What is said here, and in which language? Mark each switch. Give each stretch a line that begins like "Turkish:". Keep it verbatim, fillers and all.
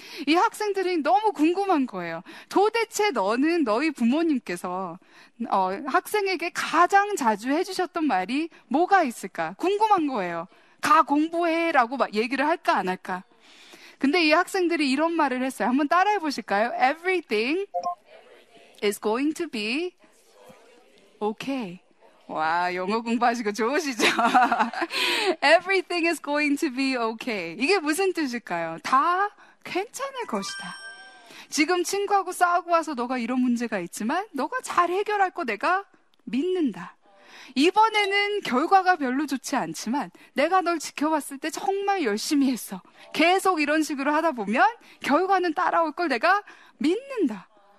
Korean: 이 학생들이 너무 궁금한 거예요. 도대체 너는, 너희 부모님께서 어, 학생에게 가장 자주 해주셨던 말이 뭐가 있을까? 궁금한 거예요. 가 공부해 라고 막 얘기를 할까 안 할까? 근데 이 학생들이 이런 말을 했어요. 한번 따라해 보실까요?
English: Everything is going to be okay.
Korean: 와, 영어 공부하시고 좋으시죠?
English: Everything is going to be okay.
Korean: 이게 무슨 뜻일까요? 다 괜찮을 것이다. 지금 친구하고 싸우고 와서 너가 이런 문제가 있지만 너가 잘 해결할 거 내가 믿는다. 이번에는 결과가 별로 좋지 않지만 내가 널 지켜봤을 때 정말 열심히 했어. 계속 이런 식으로 하다 보면 결과는 따라올 걸 내가 믿는다.